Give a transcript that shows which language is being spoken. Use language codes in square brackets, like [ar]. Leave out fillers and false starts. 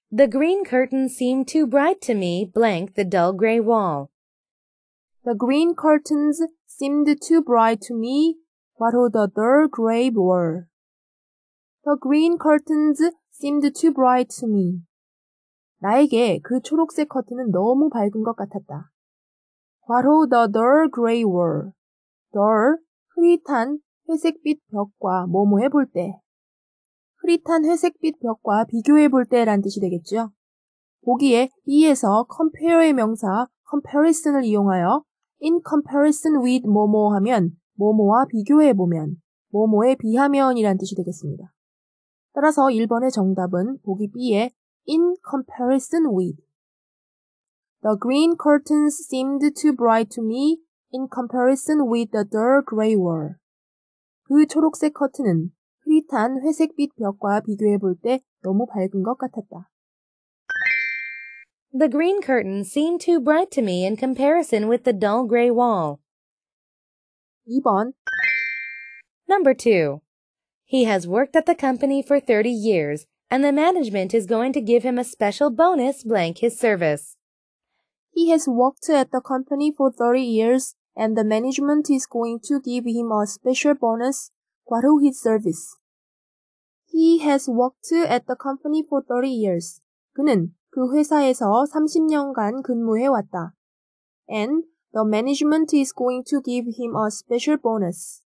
[en] The green curtain seemed too bright to me, blank the dull gray wall. The green curtains seemed too bright to me, [ko] 바로 [en] the dull gray wall. The green curtains seemed too bright to me. [ko] 나에게 그 초록색 커튼은 너무 밝은 것 같았다. 바로 [en] the dull gray wall. [ko] Dull, 흐릿한 회색빛 벽과 뭐뭐해 볼 때. 흐릿한 회색빛 벽과 비교해 볼 때란 뜻이 되겠죠. 보기에 E에서 compare의 명사 comparison을 이용하여 [en] in comparison with [ko] 뭐뭐 하면 뭐뭐와 비교해보면 뭐뭐에 비하면 이란 뜻이 되겠습니다. 따라서 1번의 정답은 보기 B에 [en] in comparison with. The green curtains seemed too bright to me in comparison with the dull gray wall. [ko] 그 초록색 커튼은 흐릿한 회색빛 벽과 비교해 볼 때 너무 밝은 것 같았다. [en] The green curtains seemed too bright to me in comparison with the dull gray wall. [ko] 2번 [en] Number 2. He has worked at the company for 30 years, and the management is going to give him a special bonus blank his service. He has worked at the company for 30 years, and the management is going to give him a special bonus, [ko] 과로 [en] his service. He has worked at the company for 30 years. [ko] 그는 그 회사에서 30년간 근무해 왔다. [en] And the management is going to give him a special bonus.